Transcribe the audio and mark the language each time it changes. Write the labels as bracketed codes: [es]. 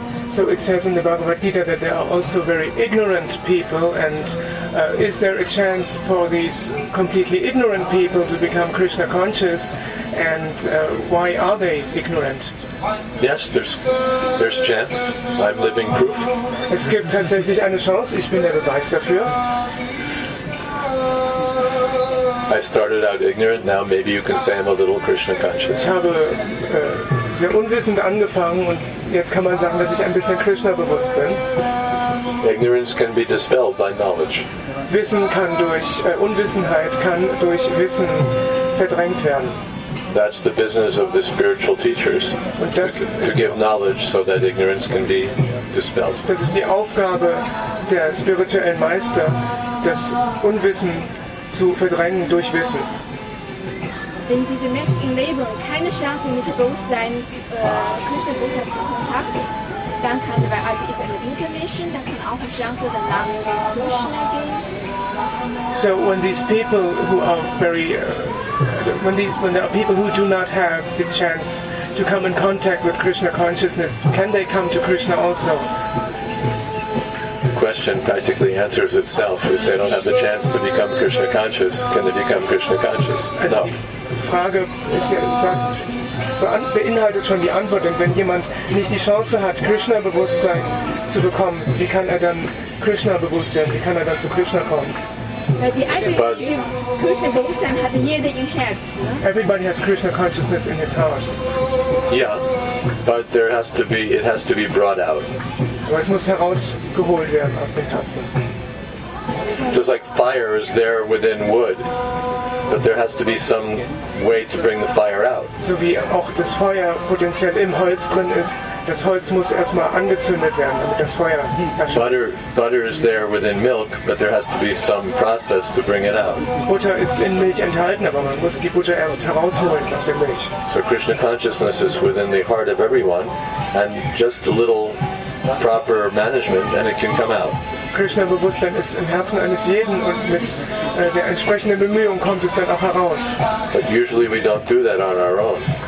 [en] So it says in the Bhagavad Gita that there are also very ignorant people, and is there a chance for these completely ignorant people to become Krishna conscious, and why are they ignorant? Yes, there's chance. I'm living proof. [de] Es gibt tatsächlich eine Chance. Ich bin der Beweis dafür. [en] I started out ignorant. Now maybe you can say I'm a little Krishna conscious. [de] Ich habe sehr unwissend angefangen und jetzt kann man sagen, dass ich ein bisschen Krishna bewusst bin. [en] Ignorance can be dispelled by knowledge. [de] Wissen kann durch Unwissenheit kann durch Wissen verdrängt werden. [en] That's the business of the spiritual teachers. [de] Und das [en] to give knowledge so that ignorance can be dispelled. [de] Das ist die Aufgabe der spirituellen Meister, das Unwissen zu verdrängen durch Wissen. Wenn diese Menschen im Leben keine Chance mit dem Bewusstsein, Krishna Bewusstsein zu Kontakt, dann kann, weil Adi ist eine gute Mission, dann kann auch eine Chance danach zu Krishna gehen. [en] So when these people who are very when there are people who do not have the chance to come in contact with Krishna consciousness, can they come to Krishna also? The question practically answers itself. If they don't have the chance to become Krishna conscious, can they become Krishna conscious? No. [de] Die Frage ist ja, beinhaltet schon die Antwort, denn wenn jemand nicht die Chance hat, Krishna-Bewusstsein zu bekommen, wie kann er dann Krishna-bewusst werden? Wie kann er dann zu Krishna kommen? Weil die Krishna-Bewusstsein hat jeder im Herzen. Ne? [en] Everybody has Krishna-Consciousness in his heart. Yeah, but it has to be brought out. [de] Aber es muss herausgeholt werden aus dem Herzen. [en] Just like fire is there within wood, but there has to be some way to bring the fire out. [de] So wie auch das Feuer potenziell im Holz drin ist, das Holz muss erstmal angezündet werden, damit das Feuer erscheint. [en] Butter is there within milk, but there has to be some process to bring it out. [de] Butter ist in Milch enthalten, aber man muss die Butter erst herausholen aus der Milch. [en] So Krishna consciousness is within the heart of everyone, and just a little proper management and it can come out. [de] Krishna Bewusstsein ist im Herzen eines jeden und mit der entsprechenden Bemühung kommt es dann auch heraus. [en] But usually we don't do that on our own.